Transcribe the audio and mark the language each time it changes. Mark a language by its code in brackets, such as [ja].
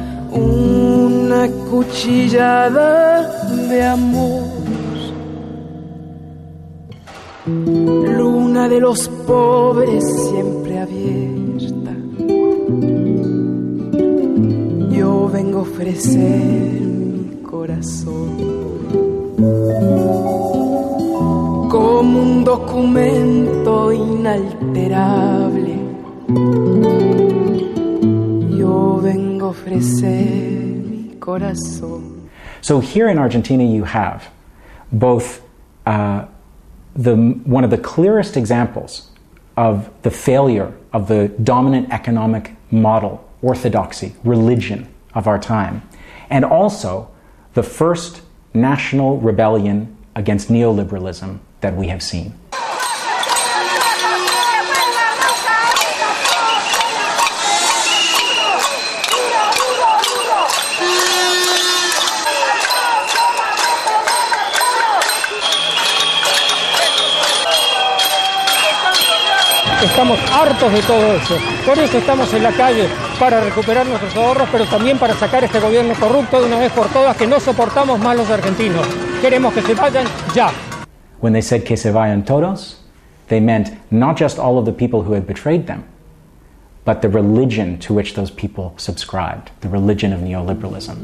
[es] Una cuchillada de amor, luna de los pobres siempre abierta, yo vengo a ofrecer mi corazón como un documento inalterable, yo vengo a ofrecer mi corazón. [en] So here in Argentina you have both one of the clearest examples of the failure of the dominant economic model, orthodoxy, religion of our time, and also the first national rebellion against neoliberalism that we have seen. [es] estamos hartos de todo eso. Por eso estamos en la calle, para recuperar nuestros ahorros, pero también para sacar este gobierno corrupto de una vez por todas, que no soportamos más los argentinos. Queremos que se vayan ya. [en] When they said [es] que se vayan todos, [en] they meant not just all of the people who had betrayed them, but the religion to which those people subscribed, the religion of neoliberalism.